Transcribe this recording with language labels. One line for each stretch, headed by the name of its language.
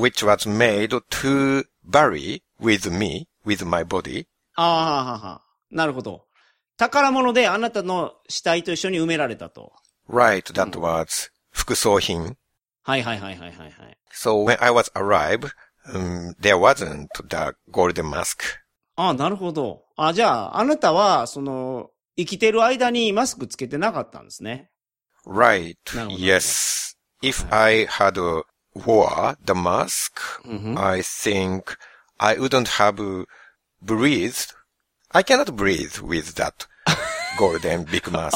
English: Which was made to bury with me, with my body.
Japanese: ああ、ははは。なるほど。宝物であなたの死体と一緒に埋められたと。
English: Right, that was 副葬品。
Japanese: はいはいはいはいはい。
English: So when I was arrived,there wasn't the golden mask.
Japanese: ああ、なるほど。あ、じゃあ、あなたは、その、生きてる間にマスクつけてなかったんですね。
English: Right. Yes. If I had wore the mask,、はい、I think I wouldn't have breathed. I cannot breathe with that golden big mask.